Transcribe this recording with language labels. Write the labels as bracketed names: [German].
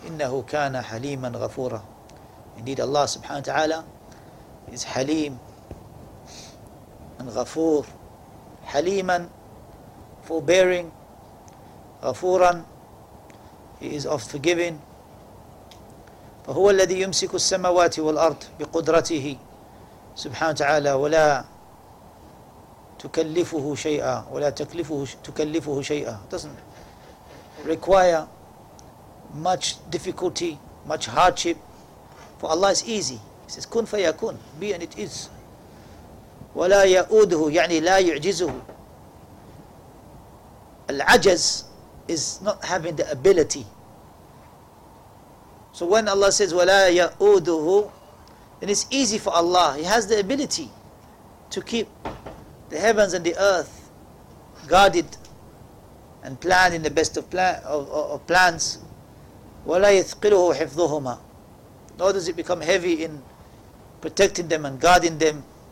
[Arabic] إِنَّهُ كَانَ حَلِيمًا غَفُورًا, [English] indeed Allah subhanahu wa ta'ala is Halim and Ghafoor. Haliman, forbearing. غَفُورًا, He is of forgiving. [Arabic] فَهُوَ الَّذِي يُمْسِكُ السَّمَوَاتِ وَالْأَرْضِ بِقُدْرَتِهِ سبحانه وتعالى ولا تكلفه شيئا ولا تكلفه شيئا, [English] doesn't require much difficulty, much hardship, for Allah is easy. He says [Arabic] كن فيكون, [English] be and it is. [Arabic] ولا يؤده, يعني لا يعجزه, العجز [English] is not having the ability. So when Allah says [Arabic] ولا يؤده, [English] then it's easy for Allah. He has the ability to keep the heavens and the earth guarded and planned in the best of plans. [Arabic] وَلَا يَثْقِلُهُ حِفْظُهُمَا, [English] nor does it become heavy in protecting them and guarding them.